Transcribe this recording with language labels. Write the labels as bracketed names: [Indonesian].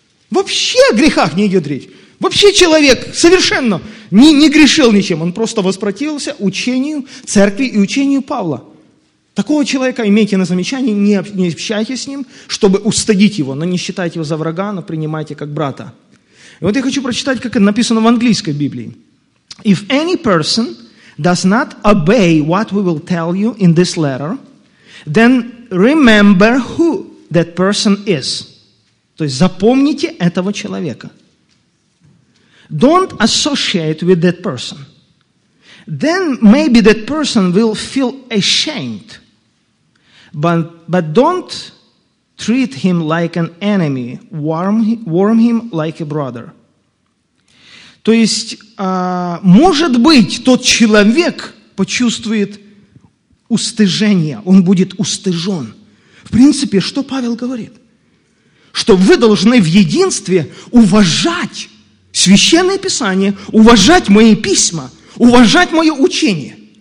[Russian] Вообще о грехах не идет речь. Вообще человек совершенно не грешил ничем. Он просто воспротивился учению церкви и учению Павла. Такого человека имейте на замечании, не общайтесь с ним, чтобы устыдить его, но не считайте его за врага, но принимайте как брата. И вот я хочу прочитать, как это написано в английской Библии. [English] If any person does not obey what we will tell you in this letter, then remember who that person is. [Russian] То есть запомните этого человека. [English] Don't associate with that person. Then maybe that person will feel ashamed. But don't treat him like an enemy, warm him like a brother. [Russian] То есть, может быть, тот человек почувствует устыжение, он будет устыжен. В принципе, что Павел говорит? Что вы должны в единстве уважать Священное Писание, уважать мои письма, уважать мое учение.